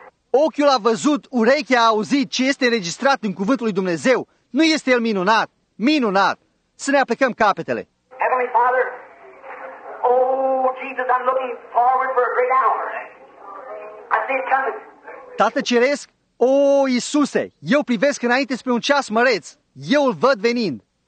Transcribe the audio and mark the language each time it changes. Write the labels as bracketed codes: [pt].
[ro] Ochiul a văzut, urechea a auzit ce este înregistrat în cuvântul lui Dumnezeu. Nu este el minunat? Minunat! Să ne aplicăm capetele! [en] Heavenly Father, oh, Jesus, I'm looking forward for a great hour. I see it coming. [ro] Tată Ceresc, o, Iisuse, eu privesc înainte spre un ceas măreț. Eu îl văd venind.